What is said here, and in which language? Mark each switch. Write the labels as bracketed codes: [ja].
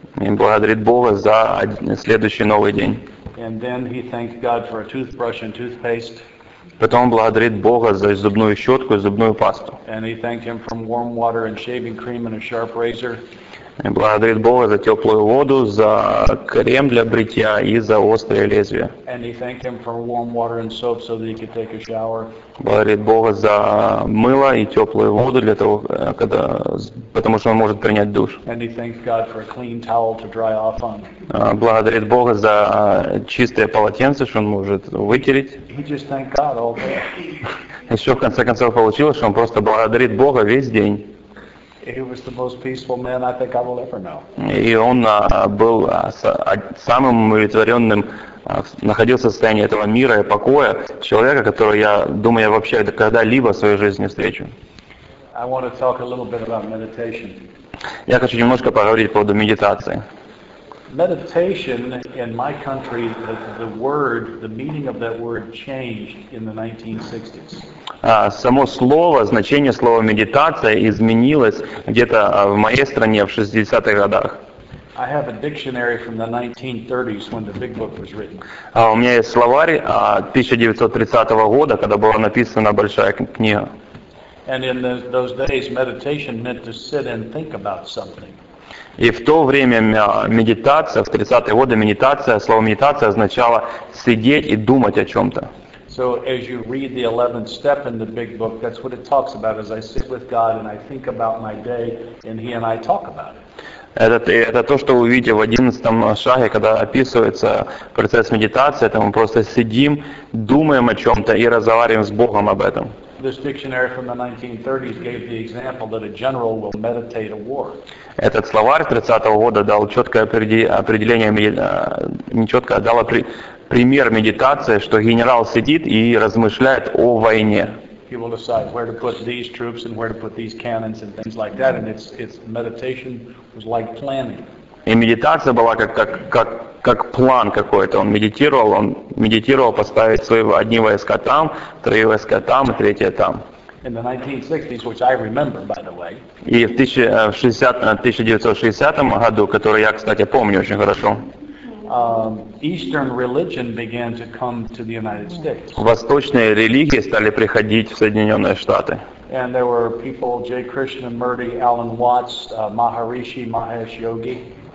[ru] И благодарит Бога за следующий новый день. [en] And then he thanked God for a toothbrush and toothpaste. [ru] Потом он благодарит Бога за зубную щетку и зубную пасту. [en] And he thanked him for warm water and shaving cream and a sharp razor. [ru] И благодарит Бога за теплую воду, за крем для бритья и за острое лезвие. [en] And he thanked him for warm water and soap so that he could take a shower. [ru] Благодарит Бога за мыло и теплую воду для того, потому что он может принять душ. [en] And he thanked God for a clean towel to dry off on. [ru] Благодарит Бога за чистое полотенце, что он может вытереть. [en] He just thanked God all day. [ru] Еще в конце концов получилось, что он просто благодарит Бога весь день. [en] He was the most peaceful man I think I will ever know. [ru] И он был самым умиротворенным, находился в состоянии этого мира и покоя, человека, которого я, думаю, я вообще когда-либо в своей жизни встречу. [en] I want to talk a little bit about meditation. [ru] Я хочу немножко поговорить по поводу медитации. [en] Meditation in my country, the word, the meaning of that word changed in the 1960s. [ru] Само слово, значение слова медитация изменилось где-то в моей стране в 60-х годах. [en] I have a dictionary from the 1930s when the Big Book was written. [ru] У меня есть словарь 1930 года, когда была написана большая книга. [en] And in those days, meditation meant to sit and think about something. [ru] И в то время медитация, в 30-е годы медитация, слово медитация означало сидеть и думать о чем-то. [en] So as you read the 11th step in the Big Book, that's what it talks about, as I sit with God and I think about my day and he and I talk about it. [ru] Это то, что вы видите в 11-м шаге, когда описывается процесс медитации, это мы просто сидим, думаем о чем-то и разговариваем с Богом об этом. [en] This dictionary from the 1930s gave the example that a general will meditate a war. [ru] Этот словарь 30-го года дал четкое определение, не четкое, а дал пример медитации, что генерал сидит и размышляет о войне. [en] He will decide where to put these troops and where to put these cannons and things like that, and it's meditation was like planning. [ru] И медитация была как план какой-то. Он медитировал поставить свои одни войска там, вторые войска там, и третье там. [en] In the 1960s, which I remember, by the way. [ru] И в 1960 году, который я, кстати, помню очень хорошо. [en] Eastern religion began to come to the United States. [ru] Восточные религии стали приходить в Соединенные Штаты. [en] And there were people: Jay Krishnamurti, Alan Watts, Maharishi Mahesh Yogi.